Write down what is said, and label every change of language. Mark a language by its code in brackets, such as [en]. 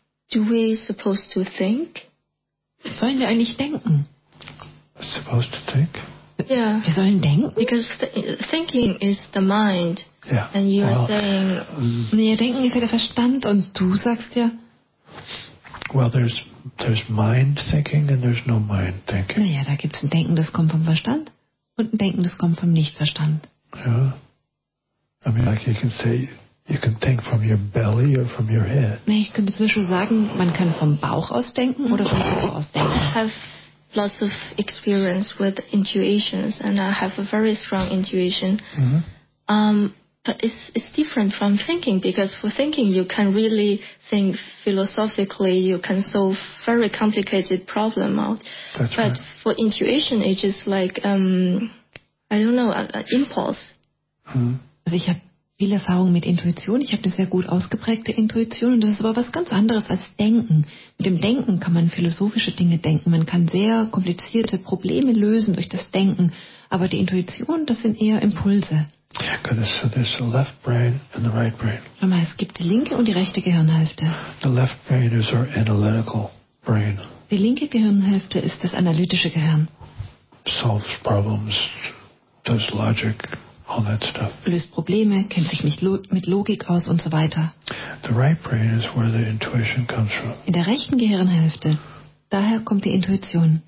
[en] Do we supposed to think? [de] Sollen wir eigentlich denken? [en] Supposed to think? Yeah. [de] Wir sollen denken? [en] Because thinking is the mind. Yeah. And you're saying... [de] Nee, denken ist ja der Verstand und du sagst ja... [en] Well, there's mind thinking and there's no mind thinking. [de] Naja, da gibt's ein Denken, das kommt vom Verstand und ein Denken, das kommt vom Nichtverstand. [en] Yeah. I mean, like you can say... You can think from your belly or from your head. [de] Nee, ich könnte zum Beispiel sagen, man kann vom Bauch aus denken oder vom Kopf aus denken. [en] I have lots of experience with intuitions and I have a very strong intuition. Mm-hmm. But it's different from thinking because for thinking you can really think philosophically, you can solve very complicated problem out. That's but right. For intuition it's just like I don't know, an impulse. Mm-hmm. [de] Also ich habe viel Erfahrung mit Intuition. Ich habe eine sehr gut ausgeprägte Intuition und das ist aber was ganz anderes als Denken. Mit dem Denken kann man philosophische Dinge denken. Man kann sehr komplizierte Probleme lösen durch das Denken. Aber die Intuition, das sind eher Impulse. [en] So there's the left brain and the right brain. [de] Schau mal, es gibt die linke und die rechte Gehirnhälfte. [en] The left brain is our analytical brain. [de] Die linke Gehirnhälfte ist das analytische Gehirn. [en] Solves problems, does logic. All that stuff. [de] Löst Probleme, kennt sich mit Logik aus und so weiter. [en] The right brain is where the intuition comes from. [de] In der rechten Gehirnhälfte, daher kommt die Intuition.